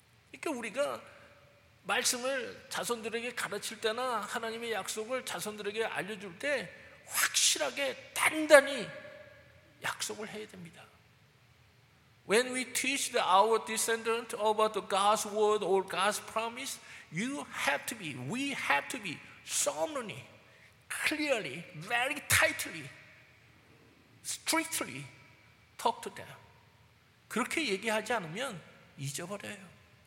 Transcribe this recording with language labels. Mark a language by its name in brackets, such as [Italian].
[Korean] 그러니까 우리가 말씀을 자손들에게 가르칠 때나 하나님의 약속을 자손들에게 알려줄 때 확실하게 단단히 약속을 해야 됩니다. [English] When we teach our descendant about God's word or God's promise, we have to be solemnly, clearly, very tightly, strictly talk to them. [Korean] 그렇게 얘기하지 않으면 잊어버려요.